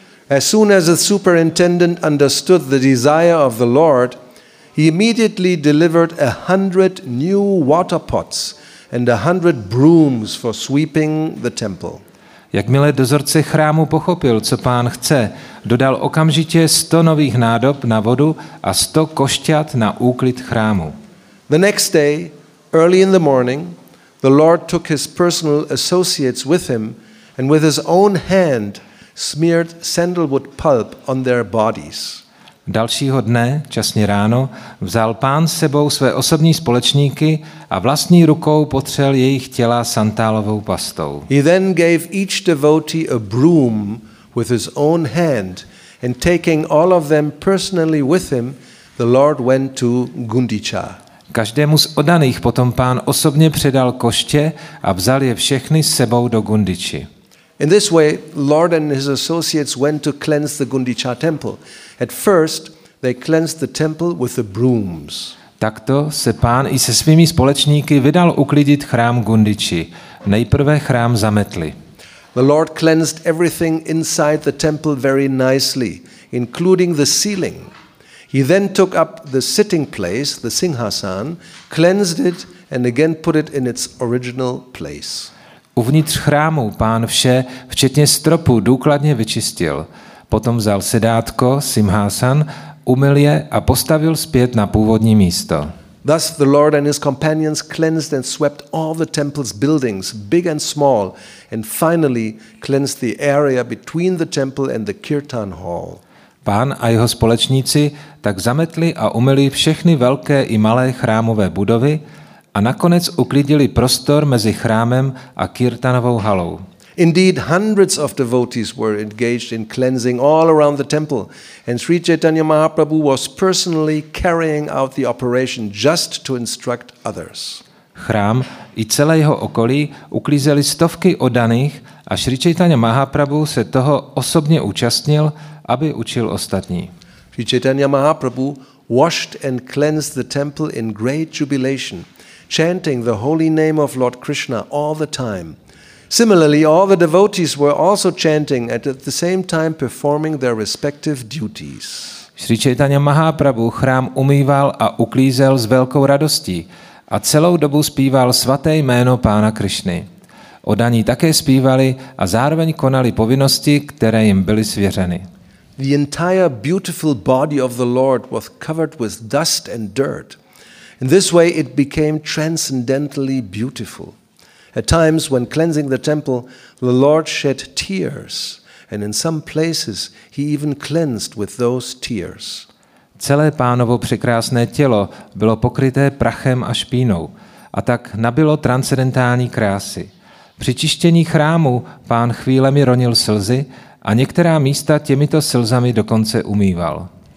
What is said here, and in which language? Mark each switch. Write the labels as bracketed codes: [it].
[en] As soon as the superintendent understood the desire of the Lord, he immediately delivered 100 new water pots and 100 brooms for sweeping the temple. [cs] Jakmile dozorce chrámu pochopil, co pán chce, dodal okamžitě 100 nových nádob na vodu a 100 košťat na úklid chrámu. [en] The next day, early in the morning, the Lord took his personal associates with him and with his own hand smeared sandalwood pulp on their bodies. [cs] Dalšího dne, časně ráno, vzal pán s sebou své osobní společníky a vlastní rukou potřel jejich těla santálovou pastou. [en] He then gave each devotee a broom with his own hand, and taking all of them personally with him, the Lord went to Gundicha. [cs] Každému z oddaných potom pán osobně předal koště a vzal je všechny s sebou do Gundichi. [en] In this way, Lord and his associates went to cleanse the Gundicha temple. At first, they cleansed the temple with the brooms. [cs] Takto se pán i se svými společníky vydal uklidit chrám Gundichi. Nejprve chrám zametli. [en] The Lord cleansed everything inside the temple very nicely, including the ceiling. He then took up the sitting place, the Singhasan, cleansed it and again put it in its original place. [cs] Uvnitř chrámu pán vše, včetně stropu, důkladně vyčistil. Potom vzal sedátko, Simhasan, umyl je a postavil zpět na původní místo. [en] Thus the Lord and his companions cleansed and swept all the temple's buildings, big and small, and finally cleansed the area between the temple and the Kirtan hall. [cs] Pán a jeho společníci tak zametli a umyli všechny velké i malé chrámové budovy a nakonec uklidili prostor mezi chrámem a kirtanovou halou. [en] Indeed, hundreds of devotees were engaged in cleansing all around the temple, and Sri Chaitanya Mahaprabhu was personally carrying out the operation just to instruct others. [cs] Chrám i celé jeho okolí uklízeli stovky oddaných a Sri Chaitanya Mahaprabhu se toho osobně účastnil, aby učil ostatní. [en] Sri Chaitanya Mahaprabhu washed and cleansed the temple in great jubilation, chanting the holy name of Lord Krishna all the time. Similarly, all the devotees were also chanting and at the same time performing their respective duties. [cs] Sri Chaitanya Mahaprabhu chrám umýval a uklízel s velkou radostí a celou dobu zpíval svaté jméno pána Krišny. Oddaní také zpívali a zároveň konali povinnosti, které jim byly svěřeny. [en] The entire beautiful body of the Lord was covered with dust and dirt. In this way it became transcendentally beautiful. At times when cleansing the temple, the Lord shed tears, and in some places he even cleansed with those tears. [cs] Celé pánovo překrásné tělo bylo pokryté prachem a špínou, a tak nabylo transcendentální krásy. Při čištění chrámu pán chvílemi ronil slzy, a některá místa těmito slzami dokonce umýval.